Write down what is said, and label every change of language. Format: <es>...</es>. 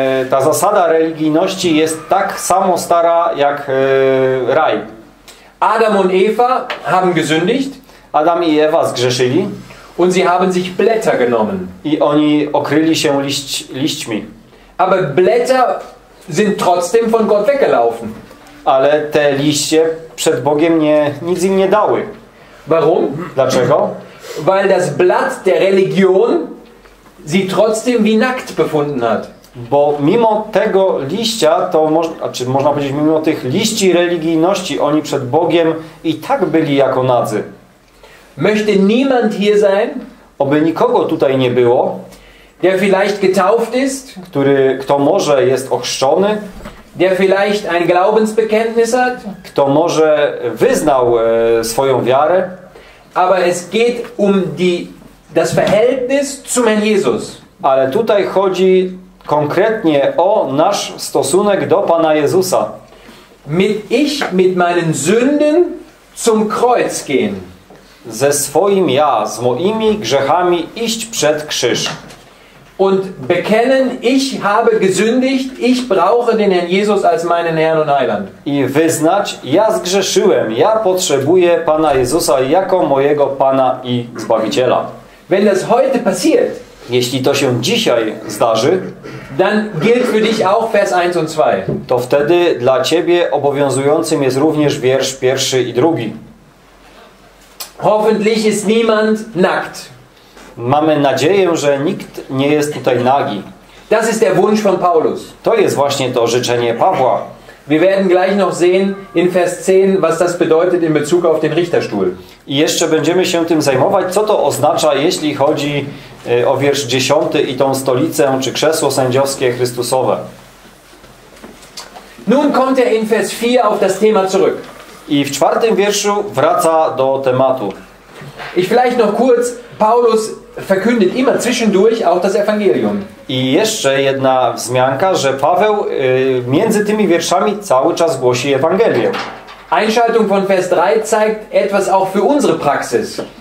<pl>Ta zasada religijności jest tak samo stara jak raj.</pl> <de>Adam und Eva haben gesündigt.</de> <pl>Adam i Ewa zgrzeszyli.</pl> <de>Und sie haben sich Blätter genommen.</de> <pl>I oni okryli się liśćmi.</pl> <de>Aber Blätter sind trotzdem von Gott weggelaufen.</de> <pl>Ale te liście przed Bogiem nic im nie dały.</pl> <de>Warum?</de> <pl>Dlaczego?</pl> <de>Weil das Blatt der Religion sie trotzdem wie nackt befunden hat.</de> <pl>Bo mimo tego liścia, to można powiedzieć, mimo tych liści religijności, oni przed Bogiem i tak byli jako nadzy.</pl> <de>Möchte niemand hier sein?</de> <pl>Oby nikogo tutaj nie było,</pl> <de>der vielleicht getauft ist,</de> <pl>kto może jest ochrzczony,</pl> <de>der vielleicht ein Glaubensbekenntnis hat,</de> <pl>kto może wyznał swoją wiarę,</pl> <de>aber es geht um das Verhältnis zum Herrn Jesus.</de> <pl>Ale tutaj chodzi konkretnie o nasz stosunek do Pana Jezusa.</pl> <de>Mit meinen Sünden zum Kreuz gehen.</de> <pl>Ze swoim ja, z moimi grzechami iść przed krzyż.</pl> <de>Und bekennen, ich habe gesündigt, ich brauche den Herrn Jesus als meinen Herrn und Heiland.</de> <pl>I wyznać, ja zgrzeszyłem, ja potrzebuję Pana Jezusa jako mojego Pana i Zbawiciela.</pl> <de>Wenn das heute passiert,</de> <pl>jeśli to się dzisiaj zdarzy,</pl> <de>dann gilt für dich auch Vers 1 und 2.</de> <pl>To wtedy dla ciebie obowiązującym jest również wiersz pierwszy i drugi.</pl> <de>Hoffentlich ist niemand nackt.</de> <pl>Mamy nadzieję, że nikt nie jest tutaj nagi.</pl> <de>Das ist der Wunsch von Paulus.</de> <pl>To jest właśnie to życzenie Pawła.</pl> <de>Wir werden gleich noch sehen in Vers 10, was das bedeutet in Bezug auf den Richterstuhl.</de> <pl>I jeszcze będziemy się tym zajmować, co to oznacza, jeśli chodzi o wiersz 10 i tą stolicę, czy krzesło sędziowskie Chrystusowe.</pl> <de>Nun kommt er in Vers 4 auf das Thema zurück.</de> <pl>I w czwartym wierszu wraca do tematu.</pl> <de>Ich vielleicht noch kurz, Paulus verkündet immer zwischendurch auch das Evangelium.</de> <pl>I jeszcze jedna wzmianka, że Paweł między tymi wierszami cały czas głosi Ewangelię.</pl> <de>Einschaltung von Vers 3 zeigt etwas auch für unsere Praxis.</de>